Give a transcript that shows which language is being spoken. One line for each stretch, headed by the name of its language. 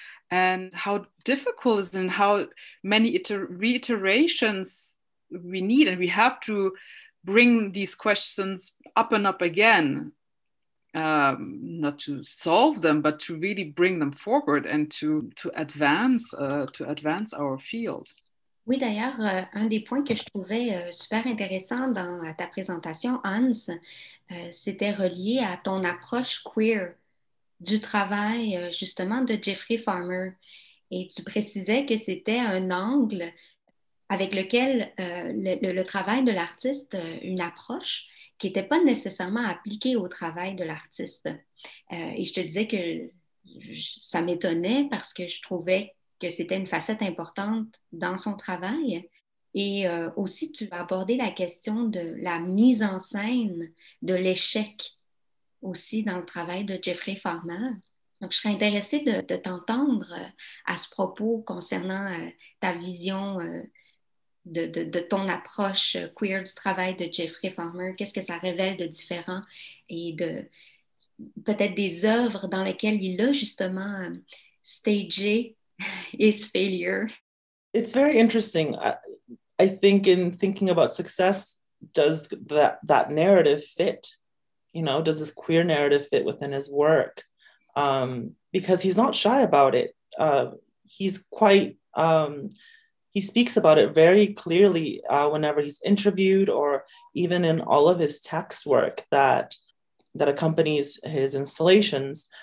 English: And how difficult is it, and how many reiterations we need, and we have to bring these questions up and up again, not to solve them, but to really bring them forward and to advance our field.
French: Oui, d'ailleurs, un des points que je trouvais super intéressant dans ta présentation, Hans, c'était relié à ton approche queer du travail, justement, de Jeffrey Farmer. Et tu précisais que c'était un angle avec lequel le travail de l'artiste, une approche qui n'était pas nécessairement appliquée au travail de l'artiste. Et je te disais que ça m'étonnait parce que je trouvais que c'était une facette importante dans son travail. Et aussi, tu as abordé la question de la mise en scène de l'échec aussi dans le travail de Jeffrey Farmer. Donc, je serais intéressée de t'entendre à ce propos concernant ta vision de ton approche queer du travail de Jeffrey Farmer. Qu'est-ce que ça révèle de différent et de peut-être des œuvres dans lesquelles il a justement stagé
English: is failure. It's very interesting. I think in thinking about success, does that narrative fit? You know, does this queer narrative fit within his work? Because he's not shy about it. He speaks about it very clearly whenever he's interviewed or even in all of his text work that accompanies his installations.